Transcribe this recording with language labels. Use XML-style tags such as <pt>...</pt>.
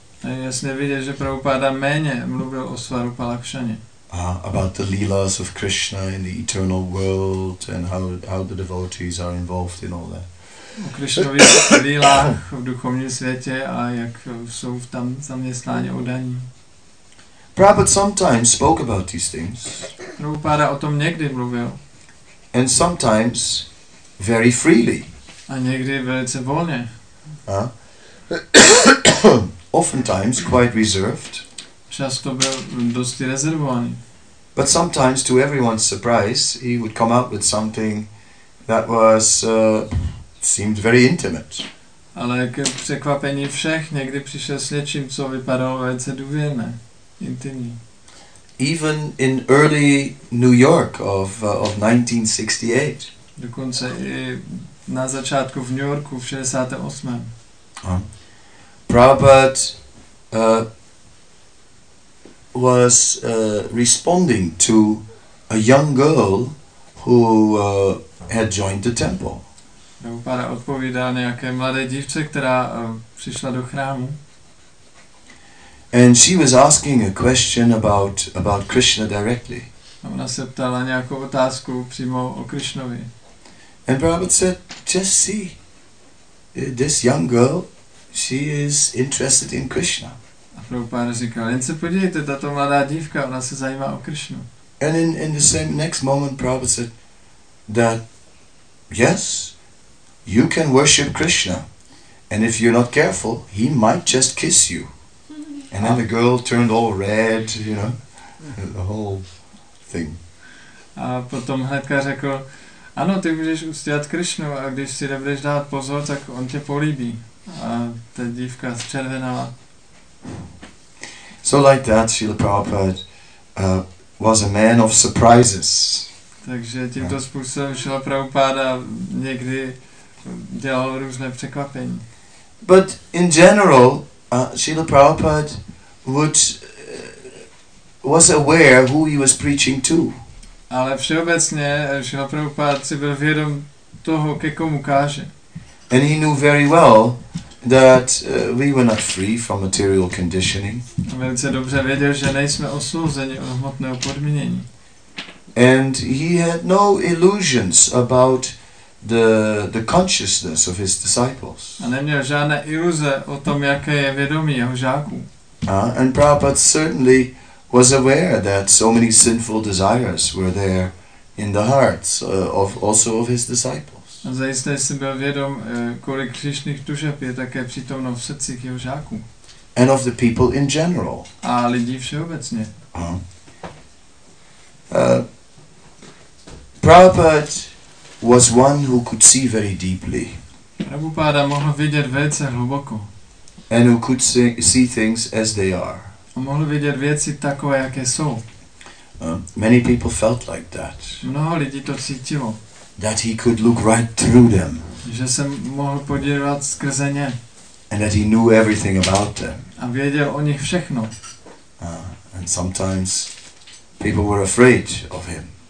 <cs>A jasně vidět, že Prabhupada méně mluvil o svarupa lakshaně.</cs> <en>About the leelas of Krishna in the eternal world and how the devotees are involved in all that.</en> <cs>O Krishnových leelách v duchovním světě a jak jsou tam zaměstnáni oddaní.</cs> <en>Prabhupada sometimes spoke about these things.</en> <cs>Prabhupada o tom někdy mluvil.</cs> <en>And sometimes very freely.</en> <cs>A někdy velice volně.</cs> <en>Oftentimes quite reserved.</en> <cs>Často byl dosti rezervovaný.</cs> <en>But sometimes, to everyone's surprise, he would come out with something that was seemed very intimate.</en> <cs>Ale k překvapení všech někdy přišel s něčím, co vypadalo velice důvěrné, intimní.</cs> <en>Even in early New York of 1968.</en> <cs>Dokonce i na začátku v New Yorku v 68.</cs> <en>Prabhupada was responding to a young girl who had joined the temple.</en> <cs>Prabhupada odpovídá nějaké mladé dívce, která přišla do chrámu.</cs> <en>And she was asking a question about Krishna directly.</en> <cs>Ona se ptala nějakou otázku přímo o Krishnovi.</cs> <en>And Prabhupada said, just see, this young girl, she is interested in Krishna.</en> <cs>A Prabhupada říkal, jen se podívejte, tato mladá dívka, ona se zajímá o Krishnu.</cs> <en>And in the same next moment, Prabhupada said that, yes, you can worship Krishna, and if you're not careful, he might just kiss you. And then the girl turned all red, you know, the whole thing.</en> <cs>A potom hnedka řekl, ano, ty můžeš uctívat Krishnu, a když si nebudeš dát pozor, tak on tě políbí. A ta dívka zčervenala.</cs> <en>So like that, Srila Prabhupada was a man of surprises.</en> <cs>Takže tímto způsobem Srila Prabhupada někdy dělal různé překvapení.</cs> <en>But in general, Srila Prabhupada was aware who he was preaching to.</en> <cs>Ale všeobecně Srila Prabhupada si byl vědom toho, ke komu káže.</cs> <en>And he knew very well that we were not free from material conditioning.</en> <cs>A velice dobře věděl, že nejsme osvobozeni od hmotného podmínění.</cs> <en>And he had no illusions about the consciousness of his disciples.</en> <cs>A neměl žádné iluze o tom, jaké je vědomí jeho žáků.</cs> <en>And Prabhupada certainly was aware that so many sinful desires were there in the hearts of also of his disciples.</en> <cs>A zajisté jsem byl vědom, kolik hříšných tužeb je také přítomno v srdcích jeho žáků.</cs> <en>And of the people in general.</en> <cs>A lidí všeobecně.</cs> <en>Prabhupada was one who could see very deeply.</en> <cs>Prabhupada mohl vidět velice hluboko.</cs> <en>And who could see things as they are.</en> <cs>On mohl vidět věci takové, jaké jsou.</cs> <en>Many people felt like that.</en> <cs>Mnoho lidí to cítilo.</cs> <en>That he could look right through them.</en> <cs>Že se mohl podívat skrze ně.</cs> <en>And that he knew everything about them.</en> <cs>A věděl o nich všechno.</cs> <en>And sometimes people were afraid of him.</en>